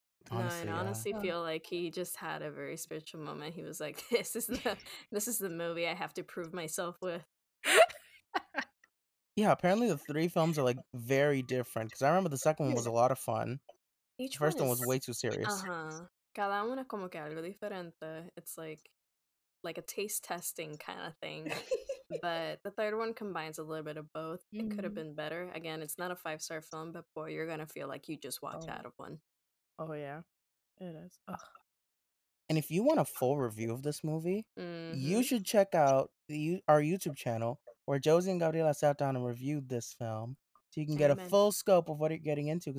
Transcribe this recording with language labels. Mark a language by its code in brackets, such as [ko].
[en] Honestly, feel like he just had a very spiritual moment. He was like, this is the movie I have to prove myself with. Yeah, apparently the 3 films are like very different, because I remember the second one was a lot of fun. The first one was way too serious. [es] Cada una como que algo diferente. [en] It's like a taste testing kind of thing. But the third one combines a little bit of both. Mm-hmm. It could have been better. Again, it's not a 5-star film, but boy, you're gonna feel like you just walked out of one. Oh yeah, it is. Ugh. And if you want a full review of this movie, you should check out our YouTube channel, where Josie and Gabriela sat down and reviewed this film, so you can get a full scope of what you're getting into.